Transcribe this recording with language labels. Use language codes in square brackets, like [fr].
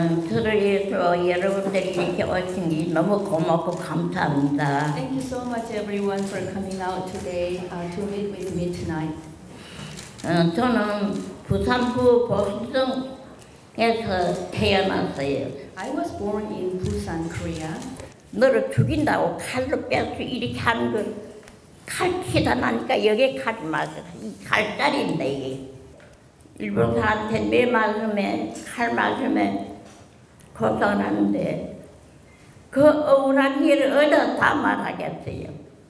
[ko] 저를 위해서 여러분들이 이렇게 오신 게 너무 고맙고 감사합니다. [en] Thank you so much everyone for coming out today to meet with me tonight. [ko] 저는 부산구 보신동에서 태어났어요. [en] I was born in Busan, Korea. [ko] 너를 죽인다고 칼로 빼서 이렇게 한 걸 칼치다 나니까 여기 가지 마세요. 이 칼자리인데 이게. 일본 사람한테 매 맞으면 칼 맞으면 고생하는데 그 억울한 일을 어디다 다 말하겠어요.